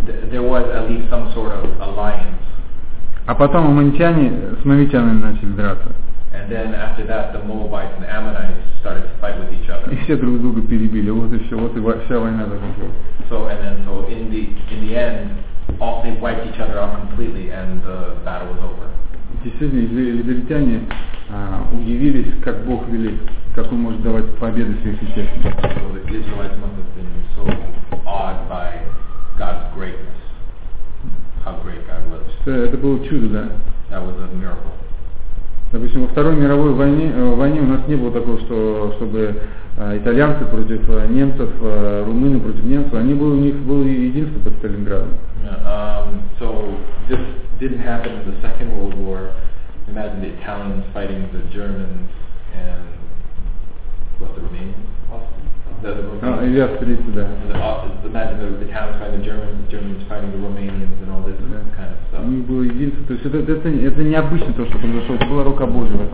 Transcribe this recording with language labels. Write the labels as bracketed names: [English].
[English] There was at least some sort of alliance. [Russian] А потом аммонитяне с моавитянами начали драться. [English] And then after that, the Moabites and Ammonites started to fight with each other. [Russian] И все друг друга перебили. Вот и все, вот и вся война закончилась. [English] So and then so in the end, all they wiped each other out completely, and the battle was over. [Russian] Действительно, израильтяне удивились, как Бог велик, как Он может давать победы всех сейчас. [English] So the Israelites must have been so awed by God's greatness, how great God was. [Russian] Это было чудо, да? [English] That was a miracle. [Russian] Допустим, во Второй мировой войне у нас не было такого, чтобы итальянцы против немцев, румыны против немцев, они были, у них было единство под Сталинградом. [English] So this didn't happen in the Second World War. Imagine the Italians fighting the Germans and what, the Romanians? Imagine the Italians fighting the Germans fighting the Romanians and all this kind of stuff. [Russian] У них было единство, то есть это необычно то, что произошло, это была рука Божия.